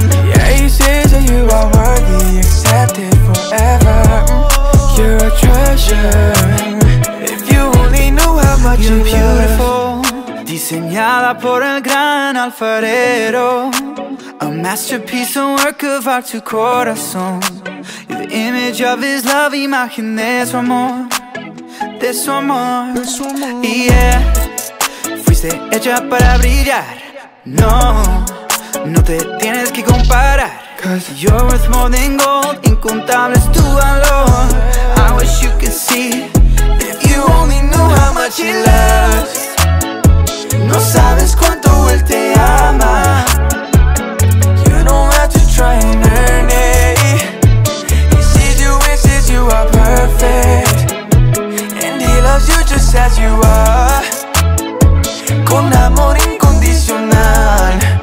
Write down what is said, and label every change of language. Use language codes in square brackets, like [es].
[en] Yeah, he says that you are worthy, accepted forever. You're a treasure. If you only knew how much you're you [es] beautiful. Diseñada por el gran alfarero. [en] A masterpiece, a work of art, two corazones. You're the image of his love, imagine there's one more. There's one more, yeah. [es] Fuiste hecha para brillar. No, no te tienes que comparar. [en] Cause you're worth more than gold, incontable es tu valor. I wish you could see. If you only knew how much he loves. [es] No sabes cuánto él te ama. [en] You don't have to try and earn it. He sees you and says you are perfect. And he loves you just as you are. [es] Con amor incondicional.